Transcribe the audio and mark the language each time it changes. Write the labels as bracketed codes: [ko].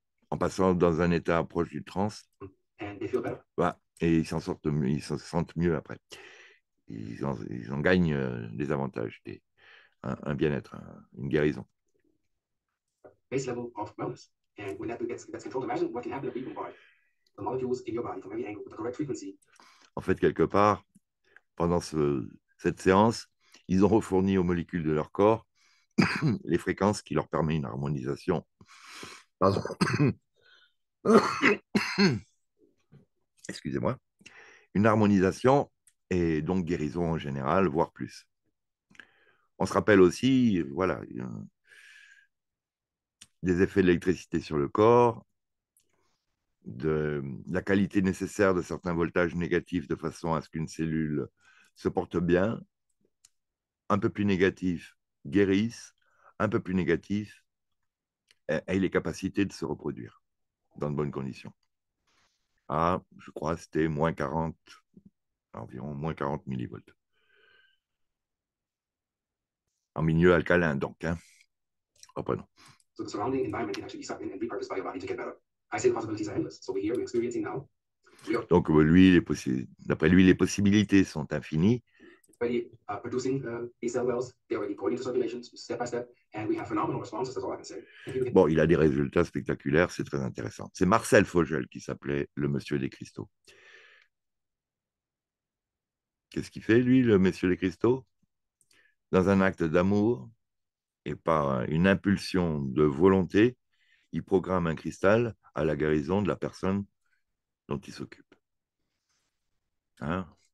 [fr] en passant dans un état proche du transe. Voilà. Et ils s'en sentent mieux après. Ils en gagnent des avantages, un bien-être, une guérison. [en] Base level of wellness. And when that gets controlled, imagine what can happen if we bombard the molecules in your body from every angle with the correct frequency. [fr] En fait, quelque part, pendant cette séance, ils ont refourni aux molécules de leur corps les fréquences qui leur permettent une harmonisation. Pardon. Excusez-moi. Une harmonisation et donc guérison en général, voire plus. On se rappelle aussi, voilà, des effets de l'électricité sur le corps, de la qualité nécessaire de certains voltages négatifs de façon à ce qu'une cellule se porte bien, un peu plus négatif guérisse, un peu plus négatif ait les capacités de se reproduire dans de bonnes conditions. Ah, je crois que c'était moins 40, environ moins 40 millivolts. En milieu alcalin, donc. Hein. Reprenons. [en] So the surrounding environment can actually be sucked in and repurposed by your body to get better. I say the possibilities are endless. So we're here, we're experiencing now. [fr] Donc, lui, d'après lui, les possibilités sont infinies. [en] Already producing these cell wells, they're already going into circulations step by step, and we have phenomenal responses, that's all I can say. [fr] Bon, il a des résultats spectaculaires, c'est très intéressant. C'est Marcel Fogel qui s'appelait le monsieur des cristaux. Qu'est-ce qu'il fait, lui, le monsieur des cristaux? Dans un acte d'amour et par une impulsion de volonté, il programme un cristal à la guérison de la personne dont il s'occupe. Hein?